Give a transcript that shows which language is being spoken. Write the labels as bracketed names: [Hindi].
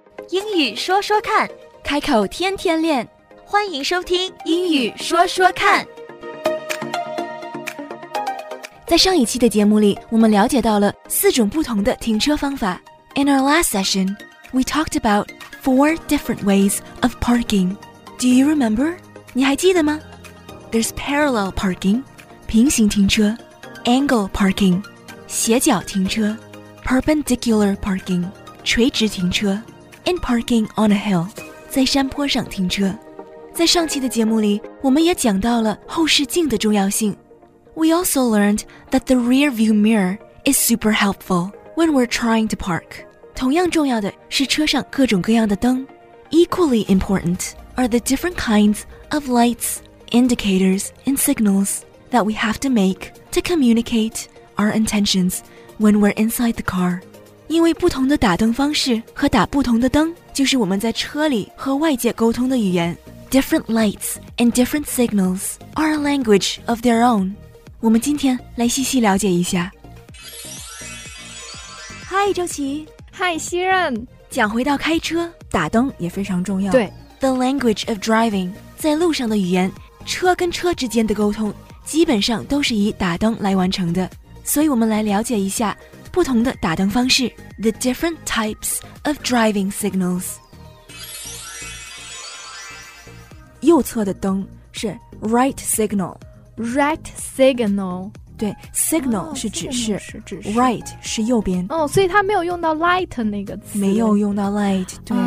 [Chinese] 英语说说看，开口天天练，欢迎收听英语说说看。在上一期的节目里，我们了解到了四种不同的停车方法。 [English] In our last session, we talked about 4 different ways of parking. Do you remember? [Chinese] 你还记得吗？ [English] There's parallel parking, 平行停车 ,angle parking, 斜角停车 ,perpendicular parking, 垂直停车 ,and parking on a hill, 在山坡上停车。 [Chinese] 在上期的节目里，我们也讲到了后视镜的重要性。 [English] We also learned that the rear view mirror is super helpful when we're trying to park. [Chinese] 同样重要的是车上各种各样的灯。 [English] Equally important are the different kinds of lights,indicators and signals that we have to make to communicate our intentions when we're inside the car. [Chinese] 因为不同的打灯方式和打不同的灯就是我们在车里和外界沟通的语言。 [English] Different lights and different signals are a language of their own. [Chinese] 我们今天来细细了解一下。 [English] Hi, 周琦。 Hi, 西任。 [Chinese] 讲回到开车，打灯也非常重要。对。 [English] The language of driving, [Chinese] 在路上的语言。车跟车之间的沟通基本上都是以打灯来完成的，所以我们来了解一下不同的打灯方式。 [English] The different types of driving signals. [Chinese] 右侧的灯是 right signal. [English] Right signal. [Chinese] 对， signal 是指示， signal 是指示， right 是右边。哦，所以它没有用到 light 那个词。没有用到 light， 对，